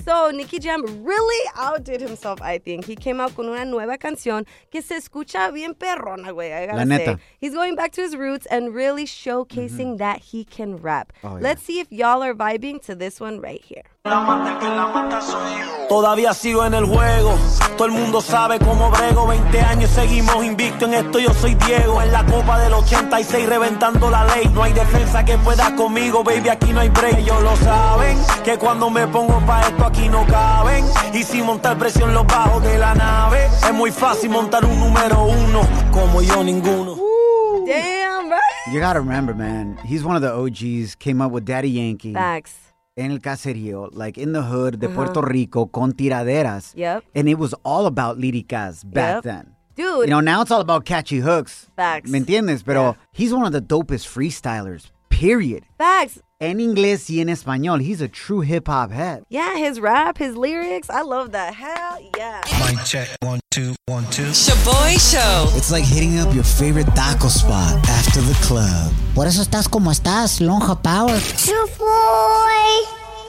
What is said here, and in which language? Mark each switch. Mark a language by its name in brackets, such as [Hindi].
[English] So, Nicky Jam really outdid himself, I think. He came out [Spanish] con una nueva canción que se escucha bien perrona, güey. [English] I gotta [Spanish] la neta. [English] Say. He's going back to his roots and really showcasing mm-hmm that he can rap. Oh, yeah. Let's see if y'all are vibing to this one right here. [Spanish] Todavía sigo en el juego. Todo el mundo sabe cómo brego. 20 años seguimos invicto en esto. Yo soy Diego. En la copa del 86 reventando la ley. No hay defensa que pueda conmigo. Baby, aquí no hay break. Ellos lo saben que cuando me pongo pa' esto aquí no caben. Y sin montar presión los bajos de la nave. Es muy fácil montar un número uno. Como yo ninguno. [English] Damn, right? You gotta remember, man. He's one of the OGs. Came up with Daddy Yankee. Facts. [Spanish] En el caserío, [English] like in the hood [Spanish] de uh-huh Puerto Rico, con tiraderas. [English] Yep. And it was all about líricas back yep then. Dude. You know, now it's all about catchy hooks. Facts. [Spanish] ¿Me entiendes? Pero [English] yeah, he's one of the dopest freestylers, period. Facts. [Spanish] En inglés y en español, [English] he's a true hip-hop head. Yeah, his rap, his lyrics, I love that. Hell yeah. Mic check, 1, 2, 1, 2. Sha'Boy Show. It's like hitting up your favorite taco spot after the club. [Spanish] Por eso estás como estás, lonja power. [English] Sha'Boy.